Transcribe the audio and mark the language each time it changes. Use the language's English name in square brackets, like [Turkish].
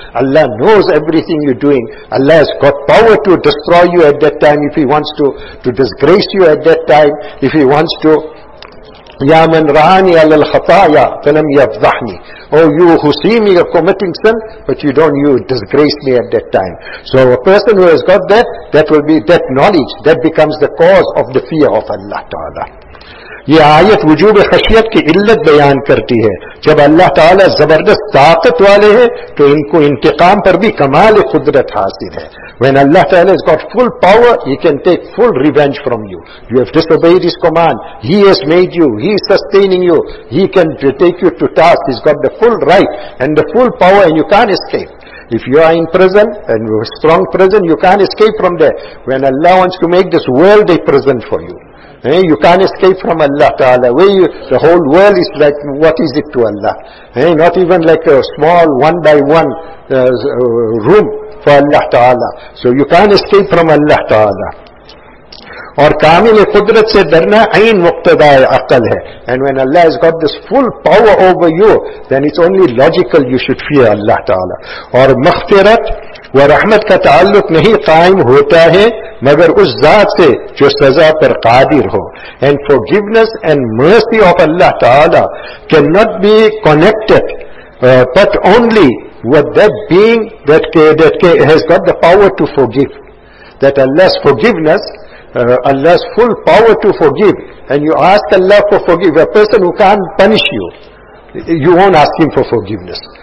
[English] Allah knows everything you're doing. Allah has got power to destroy you at that time if He wants to disgrace you at that time, if He wants to. [Arabic] Ya man ra'ani ala al-khataya falam yafdahni. [English] Oh, you who see me committing sin, but you disgrace me at that time. So a person who has got that will be that knowledge, that becomes the cause of the fear of Allah Ta'ala. [Urdu] یہ آیت وجوب خشیت کی علت بیان کرتی ہے. جب اللہ تعالیٰ زبردست طاقت والے ہیں تو ان کو انتقام پر بھی کمال قدرت حاصل ہے. [English] When Allah Ta'ala has got full power, He can take full revenge from you. You have disobeyed His command, He has made you, He is sustaining you, He can take you to task, He's got the full right and the full power and you can't escape. If you are in prison, and you're a strong prison, you can't escape from there. When Allah wants to make this world a prison for you, you can't escape from Allah Ta'ala. The whole world is like, what is it to Allah? Not even like a small one by one room for Allah Ta'ala. So you can't escape from Allah Ta'ala. [Urdu] اور کامل قدرت سے ڈرنا عین مقتدائے عقل ہے. [English] And when Allah has got this full power over you, then it's only logical you should fear Allah Ta'ala. [Urdu] اور مغفرت و رحمت کا تعلق نہیں قائم ہوتا ہے مگر اس ذات سے جو سزا پر قادر ہو. [English] And forgiveness and mercy of Allah Ta'ala cannot be connected but only with that being that has got the power to forgive. That Allah's forgiveness, Allah's full power to forgive, and you ask Allah for forgiveness. A person who can't punish you, you won't ask him for forgiveness.